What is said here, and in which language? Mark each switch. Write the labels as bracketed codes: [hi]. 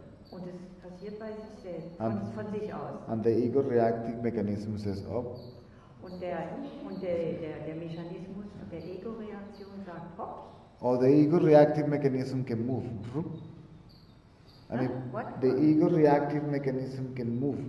[de] Und es passiert bei sich selbst, von sich aus. [en] And the ego reactive mechanism says, hopp. [de] Und der Mechanismus der Ego-Reaktion sagt, hopp. [en] Or the ego reactive mechanism can move. Brum. And if what? The ego reactive mechanism can move.